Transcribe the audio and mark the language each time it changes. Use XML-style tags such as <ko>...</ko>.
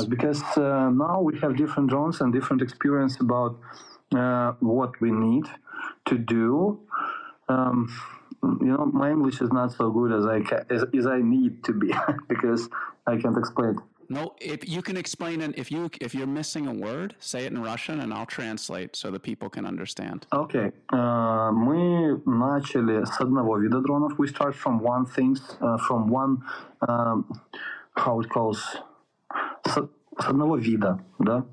<en>Yeah, because now we have different drones and different experience about what we need to do. You know, my English is not so good as I need to be, because I can't explain. No, if you can explain it, if you're missing a word, say it in Russian and I'll translate so the people can understand. Okay.</en> <ru>Мы начали с одного вида дронов.</ru> <en>We start from one thing, from one, how it calls,</en> <ru>с одного вида, да?</ru>